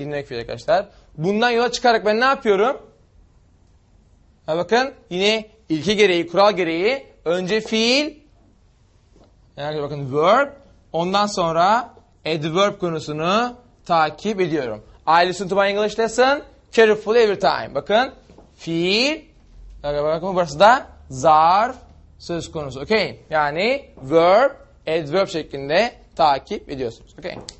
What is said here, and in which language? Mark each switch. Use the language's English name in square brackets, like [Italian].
[Turkish] Dinlemek fiili arkadaşlar. Bundan yola çıkarak ben ne yapıyorum? Ha bakın yine ilke gereği, kural gereği önce fiil yani bakın verb ondan sonra adverb konusunu takip ediyorum. [English] I listen to my English lesson carefully every time. [Turkish] Bakın fiil bakın burası da zarf söz konusu. Okay. Yani verb, adverb şeklinde takip ediyorsunuz. Okay.